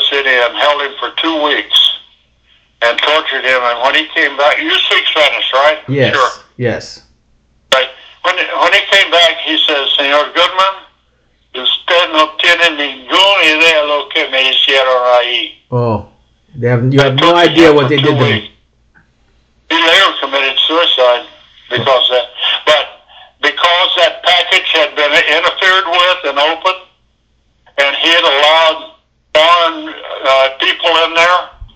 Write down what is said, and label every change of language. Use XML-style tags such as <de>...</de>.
<en>him, held him for 2 weeks, and tortured him. And when he came back, you speak Spanish, right? Yes. Sure. Yes. Right.</en> <es>When he came back, he says, Señor Goodman, usted no tiene ninguna idea lo que me hicieron ahí.</es> <en>Oh, they have, you have no idea what they did to me. He later committed suicide because of that. But because that package had been interfered with and opened, and he had allowed foreign people in there.</en>